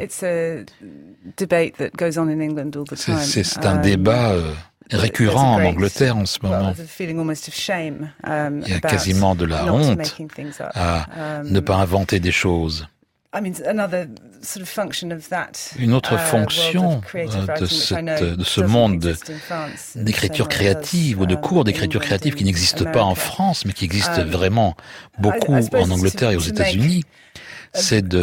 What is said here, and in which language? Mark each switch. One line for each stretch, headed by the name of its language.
English: It's a debate that goes on in England all the time.
French: C'est un débat récurrent en Angleterre en ce moment. Il y a quasiment de la honte à ne pas inventer des choses.
English: I mean, another sort of function of that.
French: Une autre fonction de ce monde d'écriture créative ou de cours d'écriture créative qui n'existe pas en France, mais qui existe vraiment beaucoup en Angleterre et aux États-Unis, c'est